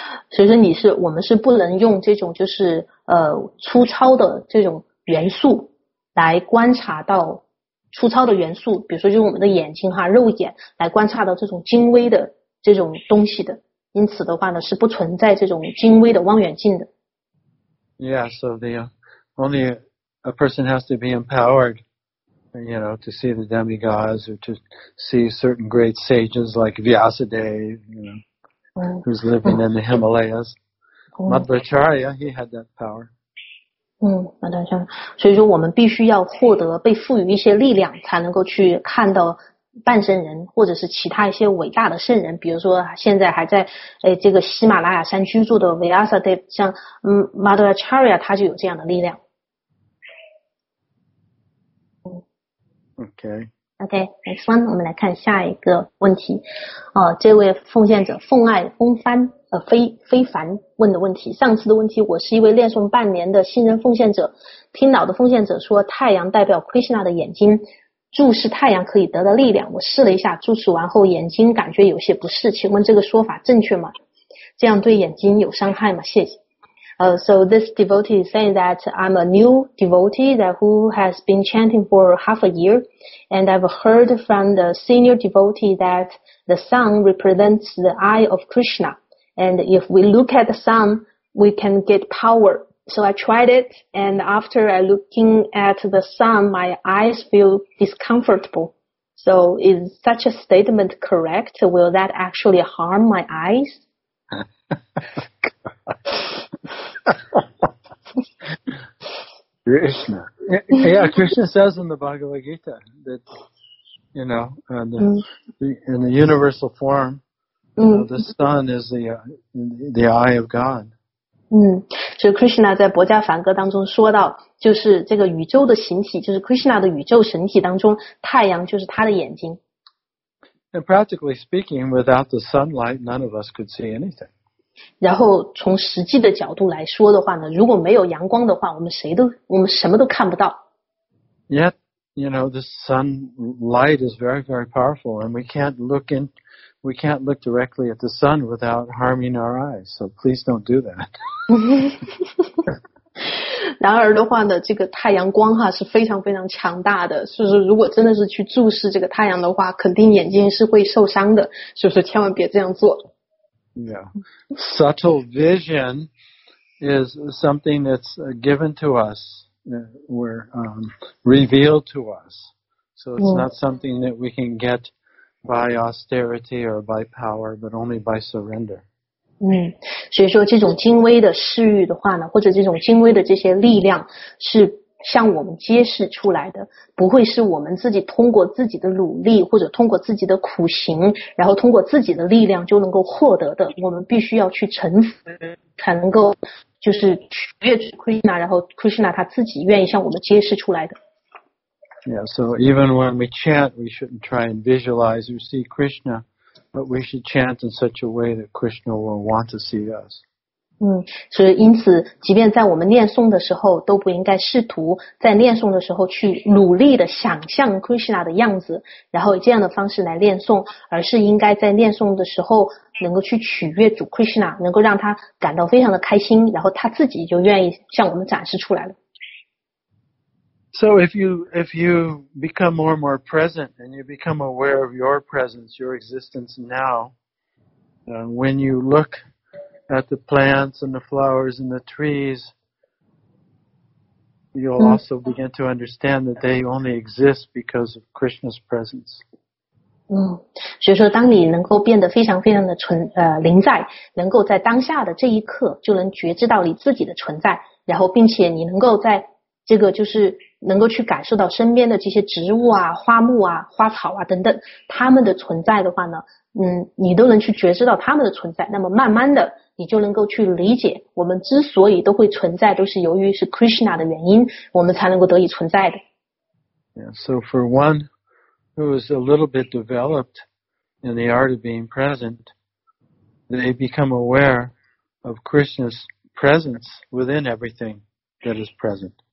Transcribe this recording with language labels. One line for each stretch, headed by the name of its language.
Chinese: 所以说我们是不能用这种就是粗糙的这种元素来观察到粗糙的元素，比如说用我们的眼睛哈，肉眼来观察到这种精微的这种东西的。因此的话呢，是不存在这种精微的望远镜的。
English: Yeah, so the only a person has to be empowered, you know, to see the demigods or to see certain great sages like Vyasadeva, you know. Who's living in the Himalayas. Madhvacharya, he had that power.
Chinese: Madhvacharya. 所以说我们必须要获得被赋予一些力量才能够去看到半圣人或者是其他一些伟大的圣人，比如说现在还在这个喜马拉雅山居住的 Vyasadeva, 像Madhvacharya 他就有这样的力量。
English: Okay.
Chinese: OK, next one, 我们来看下一个问题。这位奉献者奉爱风帆非凡问的问题。上次的问题，我是一位练诵半年的新人奉献者，听老的奉献者说太阳代表 Krishna 的眼睛，注视太阳可以得到力量。我试了一下，注视完后眼睛感觉有些不适，请问这个说法正确吗？这样对眼睛有伤害吗？谢谢。
English: So this devotee is saying that I'm a new devotee that who has been chanting for half a year, and I've heard from the senior devotee that the sun represents the eye of Krishna, and if we look at the sun, we can get power. So I tried it, and after looking at the sun, my eyes feel discomfortable. So is such a statement correct? Will that actually harm my eyes? Krishna. Yeah, Krishna says in the Bhagavad Gita that, you know, in the universal form, you know, the sun is the eye of God.
Chinese: 所以 Krishna 在《薄伽梵歌》当中说到，就是这个宇宙的形体，就是 Krishna 的宇宙形体当中，太阳就是他的眼睛。
English: And practically speaking, without the sunlight, none of us could see anything.
Chinese: 然后从实际的角度来说的话呢，如果没有阳光的话，我们什么都看不到。
English: Yet, you know, the sunlight is very, very powerful, and we can't look directly at the sun without harming our eyes. So please don't do that.
Chinese: 然而的话呢，这个太阳光哈是非常非常强大的，是不是？如果真的是去注视这个太阳的话，肯定眼睛是会受伤的，是不是？千万别这样做。
English: Yeah, subtle vision is something that's given to us, we're revealed to us. So it's not something that we can get by austerity or by power, but only by surrender.
Chinese: 所以说这种精微的视域的话呢，或者这种精微的这些力量是向我们揭示出来的，不会是我们自己通过自己的努力或者通过自己的苦行，然后通过自己的力量就能够获得的。我们必须要去臣服，才能够就是取悦 Krishna， 然后 Krishna 他自己愿意向我们揭示出来的。
English: Yeah, so even when we chant, we shouldn't try and visualize or see Krishna, but we should chant in such a way that Krishna will want to see us.
Chinese: 所以因此即便在我们念诵的时候都不应该试图在念诵的时候去努力的想象 Krishna 的样子，然后以这样的方式来念诵，而是应该在念诵的时候能够去取悦主 Krishna， 能够让他感到非常的开心，然后他自己就愿意向我们展示出来了。
English: So if you become more and more present and you become aware of your presence, your existence now, when you look at the plants and the flowers and the trees, you'll mm-hmm. also begin to understand that they only exist because of Krishna's presence.
Chinese: 嗯，所以说，当你能够变得非常非常的存临在，能够在当下的这一刻，就能觉知到你自己的存在，然后并且你能够在这个就是能够去感受到身边的这些植物啊、花木啊、花草啊等等，它们的存在的话呢，嗯，你都能去觉知到它们的存在，那么慢慢的，你就能够去理解，我们之所以都会存在，都是由于是 Krishna 的原因，我们才能够得以存在的。
English: So for one. Who is a little bit developed in the art of being present, they become aware of Krishna's presence within everything that is present.